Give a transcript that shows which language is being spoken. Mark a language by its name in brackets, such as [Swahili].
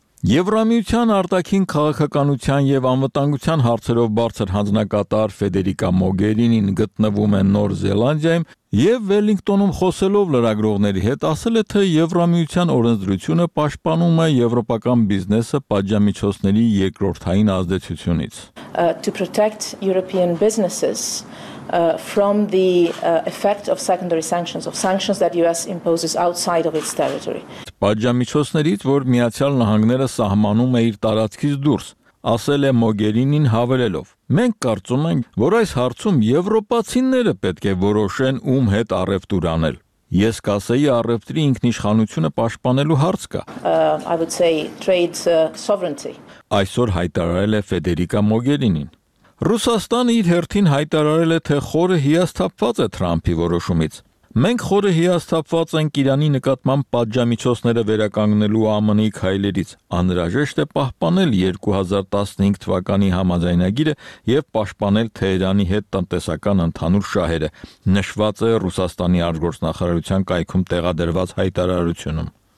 [Armenian] Եվրամիության արտաքին քաղաքականության և անվտանգության հարցերով բարձր հանձնակատար Ֆեդերիկա Մոգերինին գտնվում է Նոր Զելանդիայում և Վելլինգտոնում խոսելով լրագրողների հետ ասել է, թե Եվրամիության օրենսդրությունը պաշտպանում է եվրոպական բիզնեսը պատժամիջոցների երկրորդային ազդեցությունից. [English] To protect European businesses from the effect of secondary sanctions, of sanctions that US imposes outside of its territory. [Armenian] Պատժամիջոցներից, որ Միացյալ Նահանգները սահմանում է իր տարածքից դուրս, ասել է Մոգերինին հավելելով. Մենք կարծում ենք, որ այս հարցում եվրոպացինները պետք է որոշեն ում հետ առևտուր անել։ Ես կասեի առևտրի ինքնիշխանությունը պաշտպանելու հարց կա։ [English] I would say trade sovereignty. [Armenian] Այսօր հայտարարել է Ֆեդերիկա Մոգերինին։ Ռուսաստանը իր հերթին հայտարարել է, թե խորը հիասթափված է Թրամփի որոշումից։ Մենք խորը հիասթափված ենք Իրանի նկատմամբ պատժամիջոցները վերականգնելու ԱՄՆ-ի քայլերից, անհրաժեշտ է պահպանել 2015 թվականի համաձայնագիրը և պաշտպանել Թեհրանի հետ տնտեսական ընդհանուր շահերը, նշված է Ռուսաստանի արտգործնախարարության կայքում տեղադրված հայտարարությունում։